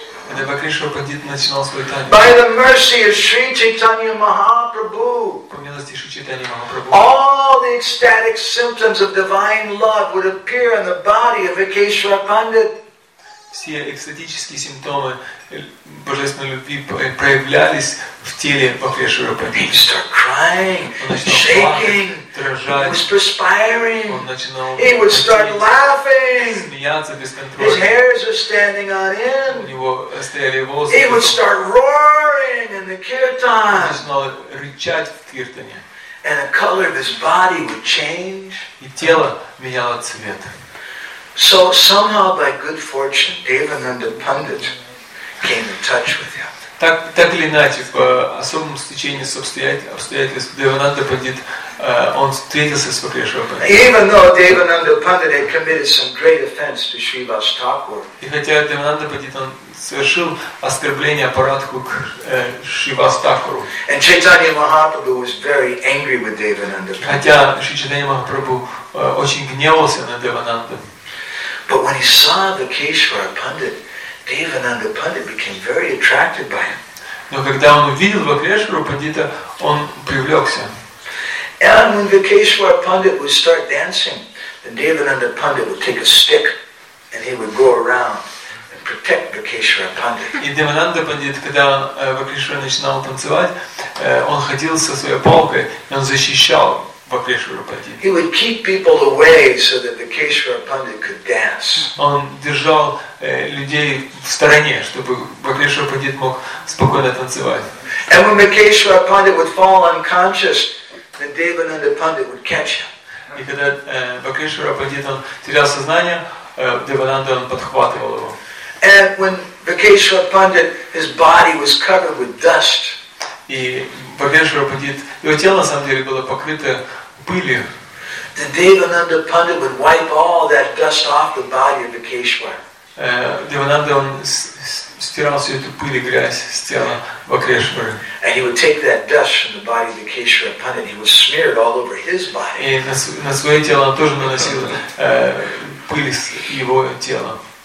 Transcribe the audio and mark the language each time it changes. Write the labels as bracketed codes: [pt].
[en] By the mercy of Sri Chaitanya Mahaprabhu, all the ecstatic symptoms of divine love would appear in the body of Vikeshwara Pandit. [ru] Все экстатические симптомы божественной любви проявлялись в теле Вакрешвара Пандита. [en] He started crying, shaking, was perspiring. [ru] Он начинал [en] He would start laughing. [ru] Смеяться без контроля. [en] His hairs were standing on end. [ru] У него стояли волосы. [en] He would start roaring in the kirtan. [ru] Он начинал рычать в киртане. [en] And the color of his body would change. [ru] И тело меняло цвет. [en] So somehow by good fortune Devananda Pandit came in touch with him. [ru] Так или иначе, по особому стечению обстоятельств Девананда Пандит, он встретился с Вакрешвара Пандит. [en] Even though Devananda Pandit had committed some great offense to Shri Vas Thakur. [ru] И хотя Девананда Пандит он совершил оскорбление аппаратху к Шри Вас Такуру. [en] And Chaitanya Mahaprabhu was very angry with Devananda Pandit. [ru] Хотя Шри Чайтанья Махапрабху очень гневался на Девананду. [en] But when he saw the Keshwara Pandit, Devananda Pandit became very attracted by him. [ru] Но когда он увидел Вакрешвару Пандита, он привлекся. [en] And when the Keshwara Pandit would start dancing, then Devananda Pandit would take a stick and he would go around and protect the Keshwara Pandit. [ru] И Девананда Пандит, когда Вакрешвара начинал танцевать, он ходил со своей палкой и он защищал. [en] He would keep people away so that the Keshwara Pandit could dance. [ru] Он держал людей в стороне, чтобы Вакрешвара Пандит мог спокойно танцевать. [en] And when the Keshwara Pandit would fall unconscious, the Devananda Pandit would catch him. [ru] И когда Вакрешвара Пандит он терял сознание, Девананда он подхватывал его. [en] And when the Keshwara Pandit, his body was covered with dust. [ru] И Вакрешвара Пандит, его тело на самом деле было покрыто пылью. [en] The Devananda Pandit would wipe all that dust off the body of the Keshwar. [ru] Девананда он стирал всю эту пыль и грязь с тела Вакрешвары. [en] And he would take that dust from the body of the Keshwar Pandit. He would smear it all over his body. [ru] И на свое тело он тоже наносил пыль с его тела.